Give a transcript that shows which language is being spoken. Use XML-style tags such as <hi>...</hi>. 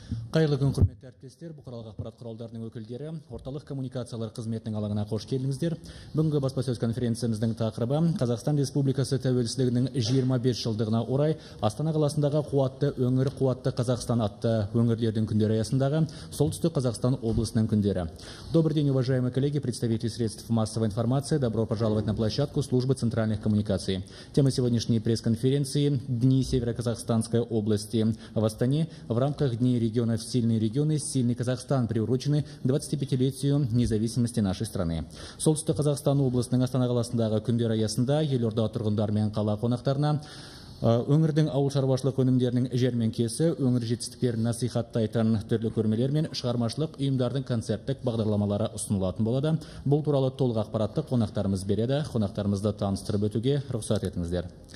<kk>Қайырлы күн, құрметті әріптестер, бұқаралық ақпарат құралдарының өкілдері, орталық коммуникациялар қызметінің алаңына қош келдіңіздер. Бүгінгі баспасөз конференциямыздың тақырыбы Қазақстан Республикасы тәуелсіздігінің 25 жылдығына орай Астана қаласындағы қуатты өңір қуатты Қазақстан атты өңірлердің күндері аясындағы солтүстік Қазақстан облысының күндері.</kk> <ru>Добрый день, уважаемые коллеги, представители средств массовой информации, добро пожаловать на площадку службы центральных коммуникаций. Тема сегодняшней пресс-конференции – Дни Северо-Казахстанской области в Астане в рамках Дней регионов. Сильные регионы, сильный Казахстан приурочены 25-летию независимости нашей страны.</ru> <kk>Солтүстік Қазақстан облысының Астана қаласындағы күндер аясында елорда тұрғындары мен қала қонақтарына өңірдің ауыл шаруашылық өнімдерінің жәрмеңкесі, өңір жетістіктерін насихаттайтын түрлі көрмелер мен шығармашылық ұйымдардың концерттік бағдарламалары ұсынылатын болады. Бұл туралы толық ақпаратты қонақтарымыз береді. Қонақтарымызды таныстырып өтуге рұқсат етіңіздер.</kk>